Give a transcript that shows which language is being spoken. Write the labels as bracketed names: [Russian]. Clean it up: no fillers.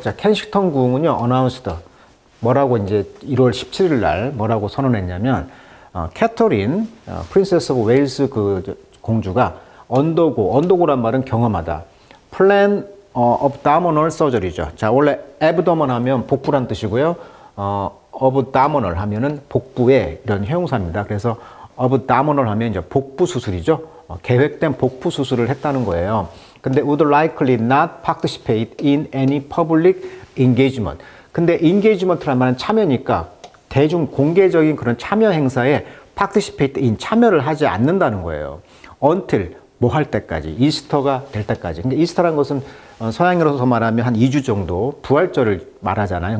[Korean] 자, 켄싱턴궁은요, 어나운스드 뭐라고 이제 1월 17일 날 뭐라고 선언했냐면, 캐터린 프린세스 오브 웨일스 그 공주가 언더고란 말은 경험하다. 플랜 업다모널 서저리죠. 자, 원래 앱도먼 하면 복부란 뜻이고요. 업다모널 하면은 복부의 이런 형용사입니다. 그래서 업다모널 하면 이제 복부 수술이죠. 계획된 복부 수술을 했다는 거예요. 근데 [English] would likely not participate in any public engagement. [Korean] 근데 engagement란 말은 참여니까 대중 공개적인 그런 참여 행사에 [English] participate in [Korean] 참여를 하지 않는다는 거예요. Until 뭐 할 때까지, 이스터가 될 때까지. 근데 이스터란 것은 서양으로서 말하면 한 2주 정도, 부활절을 말하잖아요.